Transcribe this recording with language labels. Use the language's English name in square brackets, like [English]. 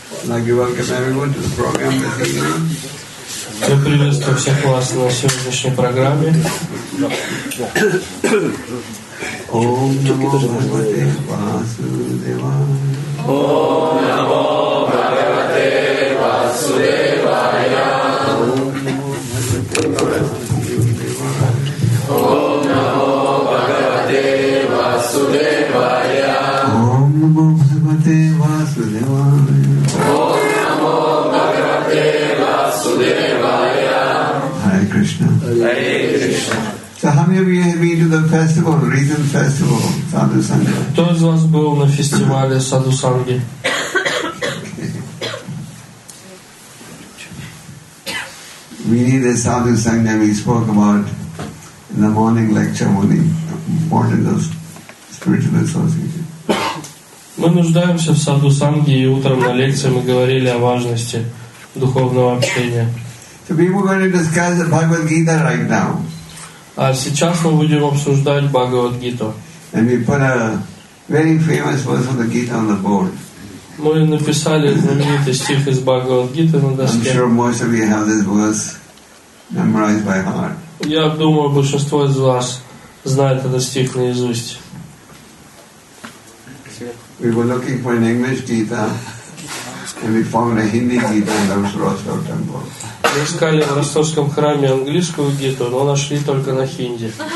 [English] Like you welcome everyone to the program with me now. [Russian] Всем приветствую всех вас на сегодняшней программе. [Sanskrit] Ом намо бхагавате васудевая. Ом намо бхагавате васудевая. Ом намо бхагавате васудевая. Ом намо бхагавате васудевая. [English] Krishna. So how many of you have been to the festival, the Reason Festival, Sadhu Sangha? [Russian] Кто из вас был на фестивале Sadhu Sangha? [English] We need a Sadhu Sangha. We spoke about in the morning lecture only, important of spiritual association. [Russian] Мы нуждаемся в Sadhu Sangha, и утром на лекции мы говорили о важности духовного общения. [English] So we were going to discuss the Bhagavad Gita right now. [Russian] А сейчас мы будем обсуждать Бхагавад Гиту. [English] And we put a very famous verse of the Gita on the board. [Russian] Мы написали знаменитый стих из Бхагавад Гиты на доске. [English] I'm sure most of you have this verse memorized by heart. [Russian] Я думаю, большинство из вас знает этот стих наизусть. [English] We were looking for an English Gita, and we found a Hindi Gita in Rostov Temple. [Russian] Мы искали в ростовском храме английскую гиту, но нашли только на хинди.